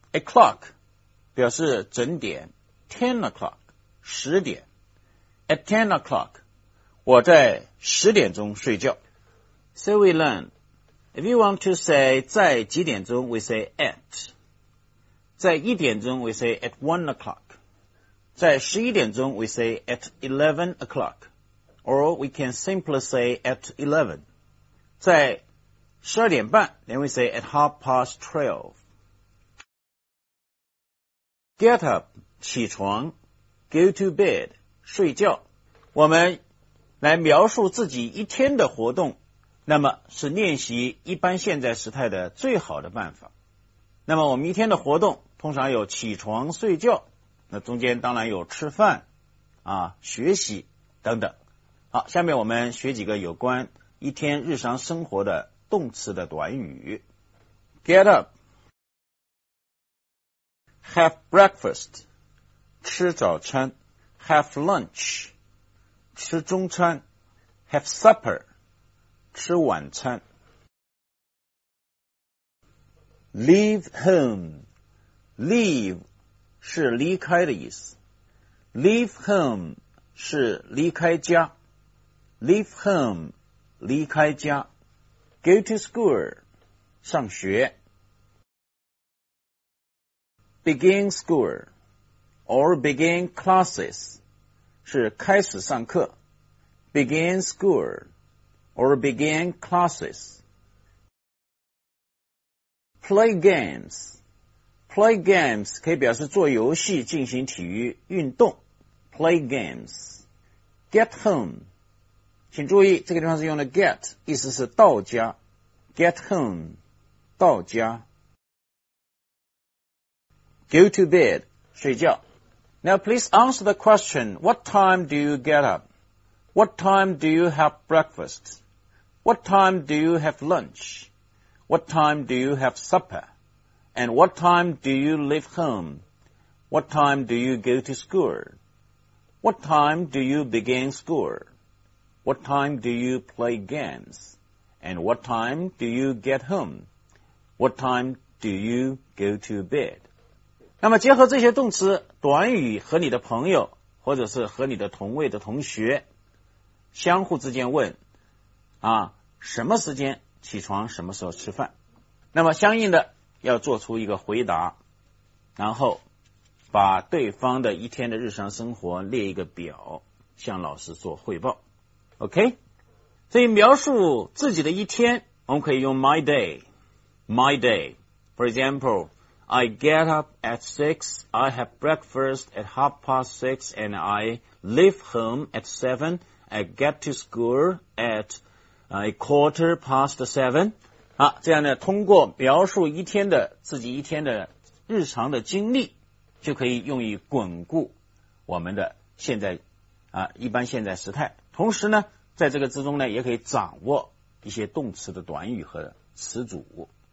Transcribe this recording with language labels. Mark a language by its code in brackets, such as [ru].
[zh] O'clock 表示整点。 [en] 10 o'clock [zh] 十点。 [en] At 10 o'clock [zh] 我在十点钟睡觉。 [en] So we learn, if you want to say [zh] 在几点钟 [en] we say at. [zh] 在一点钟 [en] we say at 1 o'clock. [zh] 在十一点钟 [en] we say at 11 o'clock. Or we can simply say at 11. [zh] 在十二点半 [en] then we say at half past 12. Get up, [zh] 起床。 [en] Go to bed, [zh] 睡觉。我们来描述自己一天的活动，那么是练习一般现在时态的最好的办法。那么我们一天的活动通常有起床、睡觉，那中间当然有吃饭、学习等等。好，下面我们学几个有关一天日常生活的动词的短语。 [en] Get up, have breakfast, [zh] 吃早餐 [en] ,have lunch, [zh] 吃中餐 [en] ,have supper, [zh] 吃晚餐。 [en] Leave home, [zh] leave 是离开的意思。 [en] Leave home [zh] 是离开家。 [en] Leave home, [zh] 离开家。 [en] Go to school, [zh] 上学。 [en] Begin school, or begin classes, [zh] 是开始上课。 [en] Begin school, or begin classes. Play games. Play games [zh] 可以表示做游戏、进行体育运动。 [en] Play games. Get home. [zh] 请注意，这个地方是用的 [en] get, [zh] 意思是到家。 [en] Get home, [zh] 到家。 [en] Go to bed, [zh] 睡觉。 [en] Now please answer the question, what time do you get up? What time do you have breakfast? What time do you have lunch? What time do you have supper? And what time do you leave home? What time do you go to school? What time do you begin school? What time do you play games? And what time do you get home? What time do you go to bed? [zh] 那么结合这些动词短语和你的朋友或者是和你的同位的同学相互之间问什么时间起床，什么时候吃饭，那么相应的要做出一个回答，然后把对方的一天的日常生活列一个表向老师做汇报。 OK, 所以描述自己的一天我们可以用 [en] my day, my day. For example, I get up at 6, I have breakfast at half past 6, and I leave home at 7, I get to school at a quarter past 7. [zh] 好，这样呢，通过描述一天的自己一天的日常的经历就可以用于巩固我们的现在一般现在时态同时呢，在这个之中呢，也可以掌握一些动词的短语和词组。